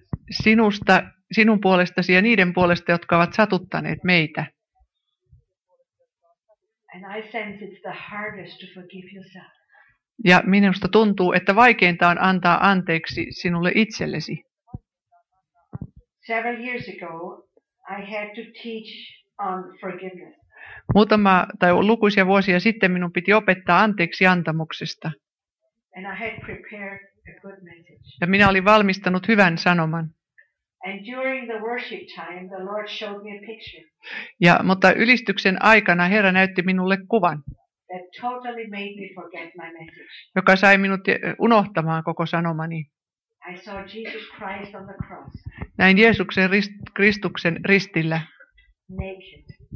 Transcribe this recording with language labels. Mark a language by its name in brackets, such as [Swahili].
[Finnish] sinusta, sinun puolestasi ja niiden puolesta, jotka ovat satuttaneet meitä. [English] And I sense it's the hardest to forgive yourself. [Finnish] Ja minusta tuntuu, että vaikeinta on antaa anteeksi sinulle itsellesi. [English] Several years ago, I had to teach on forgiveness. [Finnish] Muutama tai lukuisia vuosia sitten minun piti opettaa anteeksi antamuksesta. [English] And I had prepared a good message. [Finnish] Ja minä olin valmistanut hyvän sanoman. [English] And during the worship time, the Lord showed me a picture. [Finnish] Ja mutta ylistyksen aikana Herra näytti minulle kuvan. [English] That totally made me forget my message. [Finnish] Joka sai minut unohtamaan koko sanomani. [English] I saw Jesus Christ on the cross. [Finnish] Näin Jeesuksen Kristuksen ristillä. [English] Naked.